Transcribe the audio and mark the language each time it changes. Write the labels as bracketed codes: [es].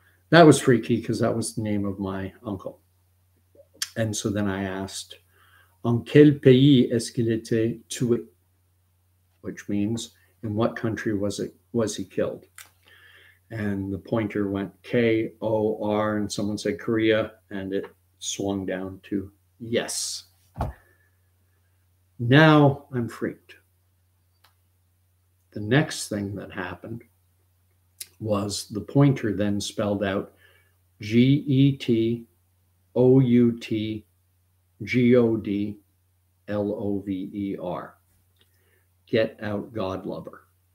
[en] That was freaky, because that was the name of my uncle. And so then I asked, [fr] en quel pays est-ce qu'il était tué? [en] Which means, in what country was he killed? And the pointer went K-O-R, and someone said Korea, and it swung down to yes. Now I'm freaked. The next thing that happened was the pointer then spelled out G-E-T-O-U-T-G-O-D-L-O-V-E-R. Get out, God lover.